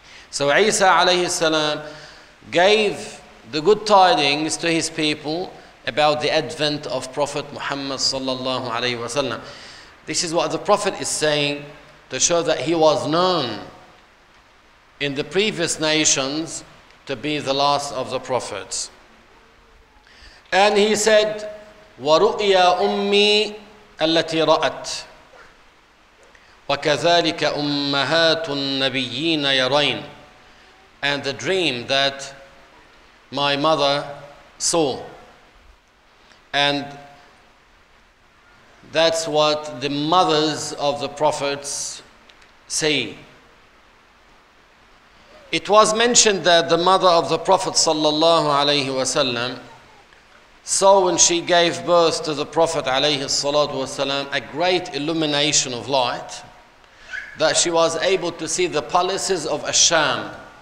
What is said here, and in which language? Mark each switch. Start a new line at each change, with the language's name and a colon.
English: So Isa alayhi salam gave the good tidings to his people about the advent of Prophet Muhammad sallallahu alayhi wasallam. This is what the Prophet is saying to show that he was known in the previous nations to be the last of the prophets. And he said,
Arabic: وَرُؤْيَا أُمِّي أَلَّتِي رَأَتْ وَكَذَلِكَ أُمَّهَاتُ النَّبِيِّينَ يَرَيْنَ.
English: And the dream that my mother saw, and that's what the mothers of the prophets see. It was mentioned that the mother of the Prophet sallallahu alayhi wa sallam saw when she gave birth to the Prophet alayhi salatu wa sallam a great illumination of light, that she was able to see the palaces of Asham.